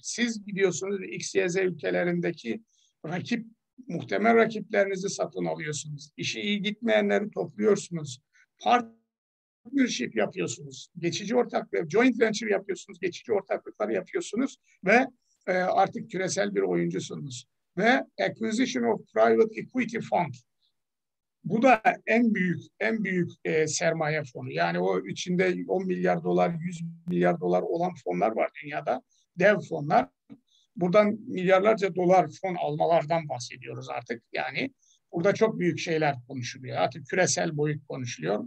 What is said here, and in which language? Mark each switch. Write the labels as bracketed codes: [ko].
[tr] Siz gidiyorsunuz ve XYZ ülkelerindeki rakip, muhtemel rakiplerinizi satın alıyorsunuz. İşi iyi gitmeyenleri topluyorsunuz. Partnership yapıyorsunuz. Geçici ortaklık, joint venture yapıyorsunuz. Geçici ortaklıklar yapıyorsunuz ve artık küresel bir oyuncusunuz. [en] Ve acquisition of private equity fund. [tr] Bu da en büyük sermaye fonu. Yani o içinde 10 milyar dolar, 100 milyar dolar olan fonlar var dünyada. Dev fonlar. Buradan milyarlarca dolar fon almalardan bahsediyoruz artık. Yani burada çok büyük şeyler konuşuluyor. Artık küresel boyut konuşuluyor.